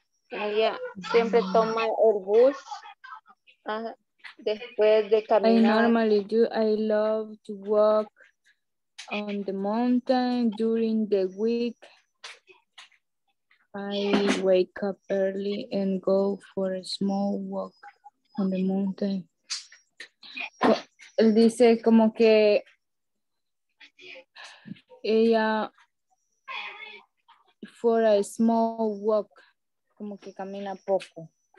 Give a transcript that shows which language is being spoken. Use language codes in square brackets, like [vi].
[es] Ella siempre toma el bus después de caminar. [en] I normally do. I love to walk on the mountain during the week. I wake up early and go for a small walk on the mountain. [es] Él dice como que ella [en] for a small walk, [es] como que camina poco.